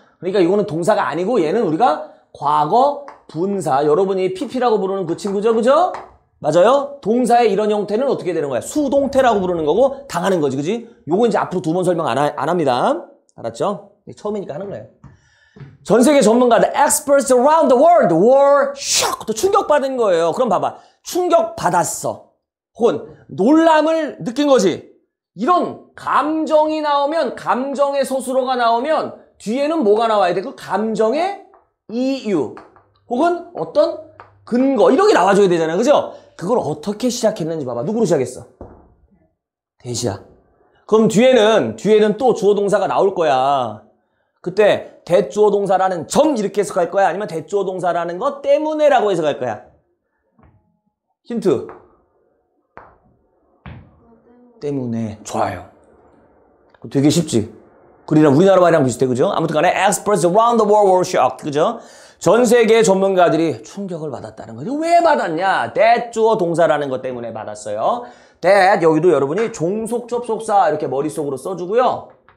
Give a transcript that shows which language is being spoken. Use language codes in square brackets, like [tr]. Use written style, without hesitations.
[ko] 그러니까 이거는 동사가 아니고 얘는 우리가 과거 분사. 여러분이 pp라고 부르는 그 친구죠. 그죠? 맞아요? 동사의 이런 형태는 어떻게 되는 거야? 수동태라고 부르는 거고 당하는 거지. 그지? 요거 이제 앞으로 두 번 설명 안 합니다. 알았죠? 처음이니까 하는 거예요. 전 세계 전문가들, [en] experts around the world were shocked. [ko] 충격받은 거예요. 그럼 봐봐. 충격받았어. 혹은 놀람을 느낀 거지. 이런 감정이 나오면, 감정의 서술어가 나오면 뒤에는 뭐가 나와야 돼? 그 감정의 이유. 혹은 어떤 근거. 이런 게 나와줘야 되잖아요. 그죠? 그걸 어떻게 시작했는지 봐봐. 누구로 시작했어? 대시야. 그럼 뒤에는 또 주어동사가 나올 거야. 그때 대주어동사라는 점 이렇게 해석할 거야? 아니면 대주어동사라는 것 때문에 라고 해석할 거야? 힌트 때문에. 좋아요. 되게 쉽지? 그리나 우리나라 말이랑 비슷해. 그죠? 아무튼간에 [en] experts around the world were shocked. [ko] 그죠? 전 세계 전문가들이 충격을 받았다는 거죠. 왜 받았냐? 대주어동사라는 것 때문에 받았어요. 대 여기도 여러분이 종속접속사 이렇게 머릿속으로 써주고요.